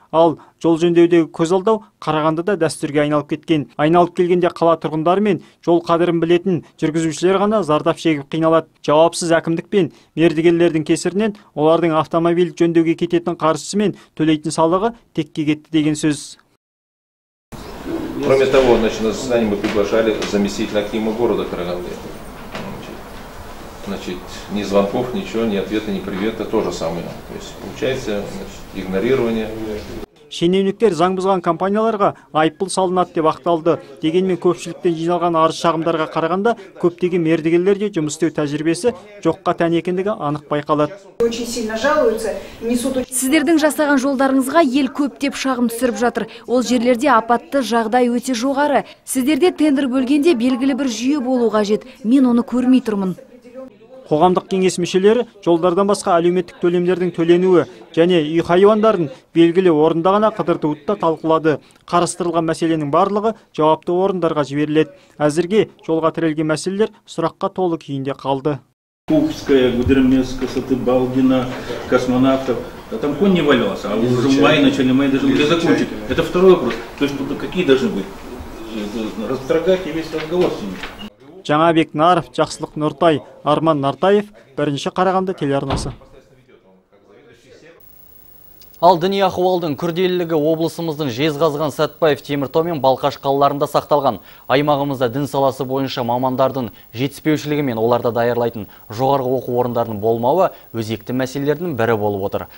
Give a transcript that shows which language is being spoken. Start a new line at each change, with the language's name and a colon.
Kazakh: Ал жол жөндеудегі көз алдау Қарағандыда дәстүрге айналып кеткен. Айналып келгенде қала тұрғындары мен жол қадірін білетін жүргізушілер ғана зардап шегіп қиналады. Жауапсыз әкімдік пен мердігерлердің кесірінен олардың автомобиль жөндеуге кететін қаржысы мен төлейтін салығы текке кетті деген сөз.
Russian: Кроме того, значит, на заседание мы приглашали заместителя акима города Караганды. Значит, ни звонков, ничего, ни ответа, ни привета, то же самое. То есть, получается, значит, игнорирование.
Kazakh: Шенеуніктер заң бұзған компанияларға айыппұл салынады деп ақталды. Дегенмен көпшіліктен жиналған арыз шағымдарға қарағанда көптеген мердігерлерде жұмыс істеу тәжірибесі жоққа тән екендігі анық байқалады. Сіздердің жасаған жолдарыңызға ел көптеп шағым түсіріп жатыр. Ол жерлерде апатты жағдай өте жоғары. Сіздерде тендер бөлгенде белгілі бір жүйе болу қажет. Мен оны көрмей тұрмын. Қоғамдық кеңес мүшелері жолдардан басқа әлеуметтік төлемдердің төленуі және үй хайуандарын белгілі орында ғана қыдыртуды да талқылады. Қарастырылған мәселенің барлығы жауапты орындарға жіберіледі. Әзірге жолға тірелген мәселелер сұраққа толы күйінде қалды.
Russian: Купская, Гудермесская, Саты, Балдина, Космонавтов. Да там конь не валялся, а уже в мае, начале мая даже не закончит. Это второй вопрос. То есть какие должны быть? Расторгать и весь разговор с ними.
Kazakh: Жаңабек Наров, Жақсылық Нұртай, Арман Нартаев, бірінші Қарағанды телеарнасы. Ал діни ахуалдың күрделілігі облысымыздың Жезқазған, Сәтбаев, Теміртау мен Балқаш қалаларында сақталған. Аймағымызда дін саласы бойынша мамандардың жетіспеушілігі мен оларда даярлайтын жоғарғы оқу орындарының болмауы өзекті мәселелердің бірі болып отыр.